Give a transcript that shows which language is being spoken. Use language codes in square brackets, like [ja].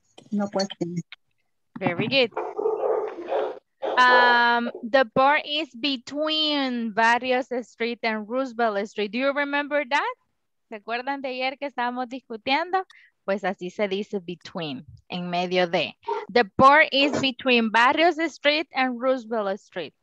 [en] No questions. Very good. The bar is between Barrios Street and Roosevelt Street. Do you remember that? [es] ¿Se acuerdan de ayer que estábamos discutiendo? Pues así se dice between, en medio de. [en] The bar is between Barrios Street and Roosevelt Street.